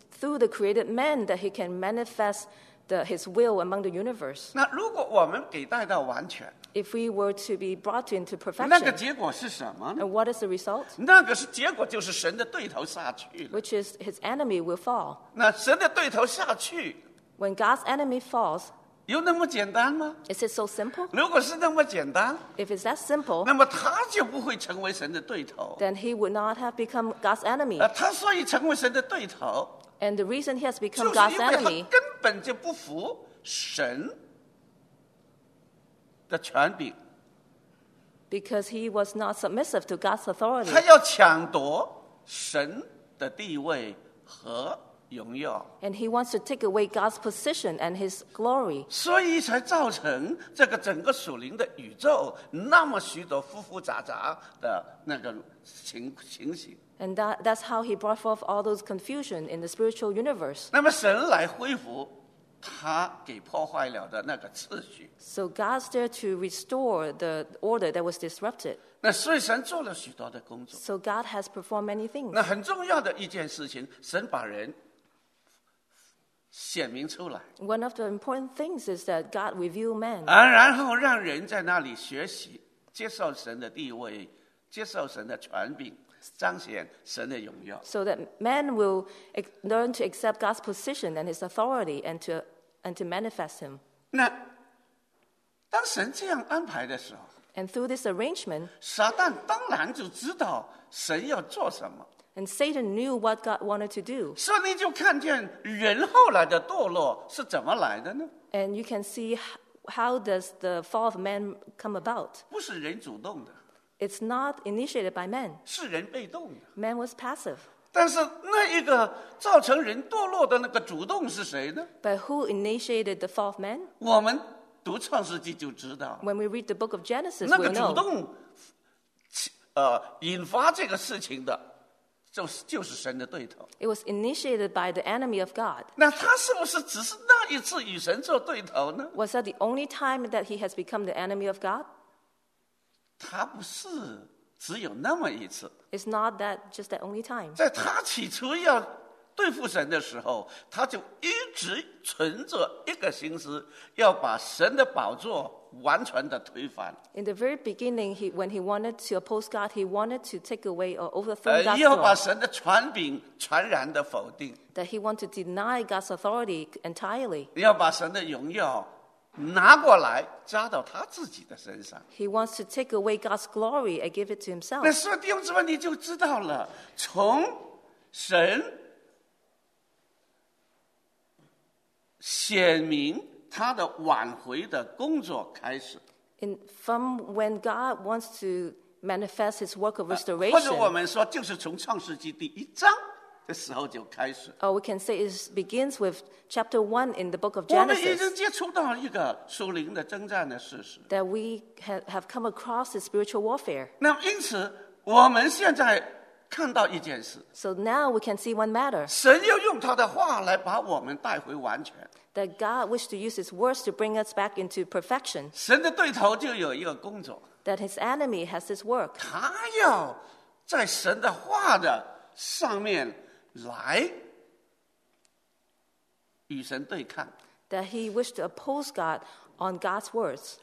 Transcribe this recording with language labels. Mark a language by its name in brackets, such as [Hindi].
[English] through the created man that he can manifest his will among the universe. [Chinese] 那如果我们给带到完全， [English] If we were to be brought into perfection, [Chinese] 那个结果是什么呢？ [English] And what is the result? [Chinese] 那个是结果就是神的对头下去了。 [English] Which is his enemy will fall. [Chinese] 那神的对头下去， [English] When God's enemy falls, [Chinese] 有那么简单吗？ [English] Is it so simple? [Chinese] 如果是那么简单， [English] If it's that simple, [Chinese] 那么他就不会成为神的对头。 [English] Then he would not have become God's enemy. [Chinese] 他所以成为神的对头， [English] And the reason he has become God's enemy, [Chinese] 就是因为他根本就不服神的权柄。 [English] Because he was not submissive to God's authority. [Chinese] 他要抢夺神的地位和荣耀。 [English] And he wants to take away God's position and his glory. [Chinese] 所以才造成这个整个属灵的宇宙那么许多复复杂杂的那个情形。 [English] And that's how he brought forth all those confusion in the spiritual universe. [Chinese] 那么神来恢复他给破坏了的那个秩序。 [English] So God's there to restore the order that was disrupted. [Chinese] 那所以神做了许多的工作。 [English] So God has performed many things. [Chinese] 那很重要的一件事情，神把人显明出来。 [English] One of the important things is that God revealed man. [Chinese] 然后让人在那里学习，接受神的地位，接受神的权柄。彰显神的荣耀。 [English] So that man will learn to accept God's position and his authority and to manifest him. [Chinese] 那当神这样安排的时候， [English] And through this arrangement, [Chinese] 撒旦当然就知道神要做什么。 [English] And Satan knew what God wanted to do. [Chinese] 所以你就看见人后来的堕落是怎么来的呢？ [English] And you can see how does the fall of man come about. [Chinese] 不是人主动的。 [English] It's not initiated by man. [Chinese] 是人被动的。 [English] Man was passive. [Chinese] 但是那一个造成人堕落的那个主动是谁呢？ [English] But who initiated the fall of man? [Chinese] 我们读创世纪就知道。 [English] When we read the book of Genesis, [Chinese] 那个主动，引发这个事情的，就是神的对头。 [English] It was initiated by the enemy of God. [Chinese] 那他是不是只是那一次与神做对头呢？ [English] Was that the only time that he has become the enemy of God? [Chinese] 他不是只有那么一次。 [English] It's not that just that only time. [Chinese] 在他起初要对付神的时候，他就一直存着一个心思，要把神的宝座完全的推翻。 [English] In the very beginning, when he wanted to oppose God, he wanted to take away or overthrow God. [Chinese] 要把神的权柄全然的否定。 [English] That he wanted to deny God's authority entirely. [Chinese] 要把神的荣耀拿过来加到他自己的身上。 [English] He wants to take away God's glory and give it to himself. [Chinese] 那所以弟兄姊妹你就知道了，从神显明他的挽回的工作开始。 [English] From when God wants to manifest His work of restoration. [Chinese] 或者我们说，就是从创世纪第一章的时候就开始。 [English] Or we can say it begins with chapter 1 in the book of Genesis. [Chinese] 我们已经接触到一个属灵的征战的事实。 [English] That we have come across the spiritual warfare. [Chinese] 那因此，我们现在看到一件事。 [English] So now we can see one matter. [Chinese] 神又用他的话来把我们带回完全。 [English] That God wished to use His words to bring us back into perfection. [Chinese] 神的对头就有一个工作。 [English] That His enemy has His work. [Chinese] 他要在神的话的上面来与神对抗。 [English] That He wished to oppose God on God's words.